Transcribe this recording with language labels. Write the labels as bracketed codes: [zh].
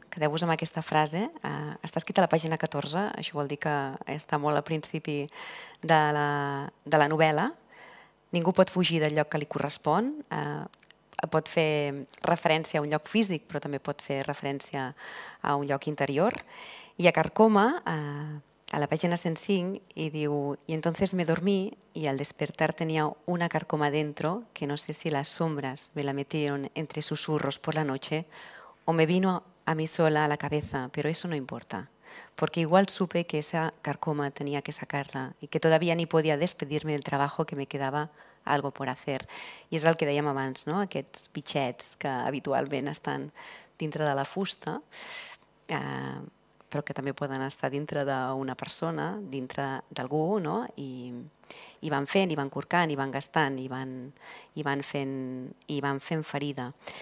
[ca] Quedeu-vos amb aquesta frase. Està escrita a la pàgina 14, això vol dir que està molt al principi de la novel·la. Ningú pot fugir del lloc que li correspon. Pot fer referència a un lloc físic, però també pot fer referència a un lloc interior. I a Carcoma, a la pàgina 105, hi diu: [es] "Y entonces me dormí y al despertar tenía una carcoma dentro que no sé si las sombras me la metieron entre susurros por la noche o me vino a mí sola a la cabeza, pero eso no importa, porque igual supe que esa carcoma tenía que sacarla y que todavía ni podía despedirme del trabajo que me quedaba algo por hacer". [ca] I és el que dèiem abans, no?, aquests bitxets que habitualment estan dintre de la fusta, però que també poden estar dintre d'una persona, dintre d'algú, no? I van fent, i van corcant, i van gastant, i van fent ferida.